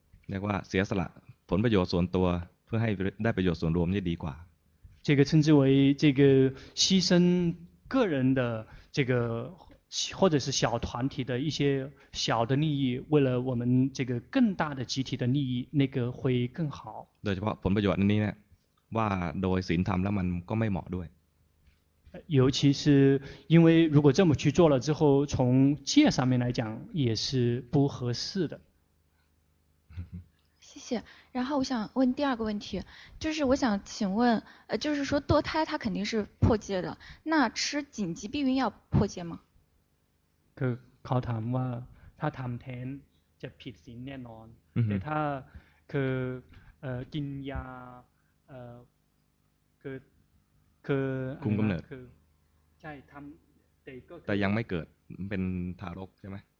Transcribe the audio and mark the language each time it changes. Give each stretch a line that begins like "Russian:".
Thai: เรียกว่าเสียสละผลประโยชน์ส่วนตัวเพื่อให้ได้ประโยชน์ส่วนรวมนี่ดีกว่า
Chinese: 这个称之为这个牺牲个人的这个或者是小团体的一些小的利益为了我们这个更大的集体的利益那个会更好
Thai: โดยเฉพาะผลประโยชน์นี้เนี่ยว่าโดยศีลธรรมแล้วมันก็ไม่เหมาะด้วย
Chinese: 尤其是因为如果这么去做了之后从戒上面来讲也是不合适的谢谢。然后我想问第二个问题，就是我想请问，就是说堕胎它肯定是破戒的，那吃紧急避孕药破戒吗？
Thai: คือเขาถามว่าถ้าทำแท้งจะผิดศีลแน่นอนแต่ถ้าคือกินยาคือ คุมกำเนิด คือใช่ทำ แต่ยังไม่เกิดเป็นทารกใช่ไหม